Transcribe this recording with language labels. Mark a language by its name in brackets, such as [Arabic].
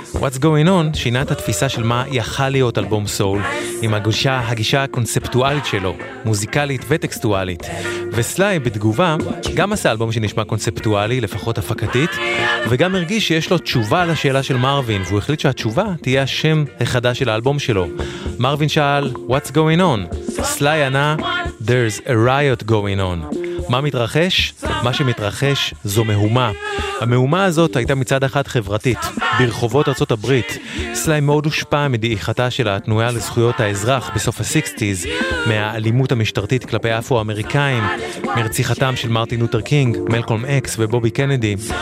[Hebrew] What's Going On שינה את התפיסה של מה יכל להיות אלבום סול, עם הגישה הקונספטואלית שלו, מוזיקלית וטקסטואלית. וסלי בתגובה גם עשה אלבום שנשמע קונספטואלי, לפחות הפקתית, וגם הרגיש שיש לו תשובה על השאלה של מרווין, והוא החליט שהתשובה תהיה השם החדש של האלבום שלו. מרווין שאל, [English] What's going on? [Hebrew] סלי ענה, [English] There's a riot going on. [Hebrew] מה מתרחש? מה שמתרחש זו מהומה. המהומה הזאת הייתה מצד אחד חברתית, ברחובות ארצות הברית. סלי מאוד הושפע מדעיכתה של התנועה לזכויות האזרח בסוף ה-60s, מהאלימות המשטרתית כלפי אפרו-אמריקאים, מרציחתם של מרטין לותר קינג, מלקולם אקס ובובי קנדי.